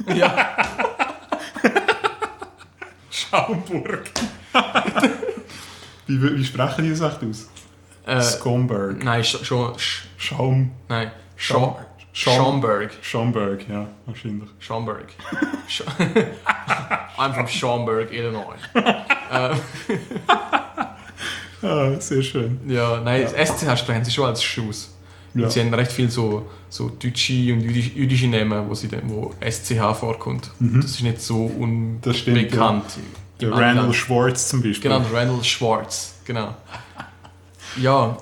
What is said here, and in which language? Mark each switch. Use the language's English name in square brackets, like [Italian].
[German] Ja. Schaumburg. wie sprechen die das echt aus? Schaumburg. Nein, Schaum. Nein, Schaumburg. Schaumburg, ja, wahrscheinlich. Schaumburg. [English] I'm from Schaumburg, Illinois. [German] Ah, sehr schön. Ja, nein, ja. Das SCH sprechen sie schon als Schuss. Ja. Sie haben recht viel so deutsche und jüdische Namen, wo SCH vorkommt. Mhm. Das ist nicht so unbekannt. Ja. Der Randall Schwartz zum Beispiel. Genau, Randall Schwartz, genau. Ja.